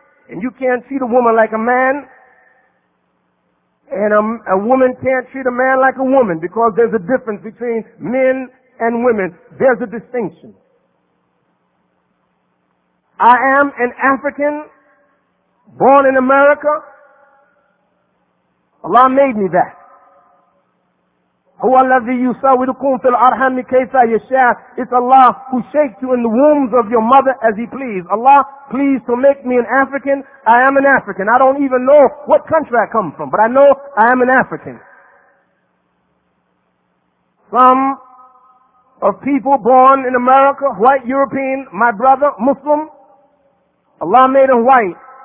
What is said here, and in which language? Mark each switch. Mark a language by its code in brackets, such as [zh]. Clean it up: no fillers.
[en] And you can't treat a woman like a man. And a woman can't treat a man like a woman, because there's a difference between men and women. There's a distinction. I am an African. Born in America, Allah made me that. [ar] هو الذي يساوركم في الأرحام كيف يشاء. [en] It's Allah who shakes you in the wombs of your mother as He please. Allah, please to make me an African. I am an African. I don't even know what country I come from, but I know I am an African. Some of people born in America, white European, my brother, Muslim, Allah made him white.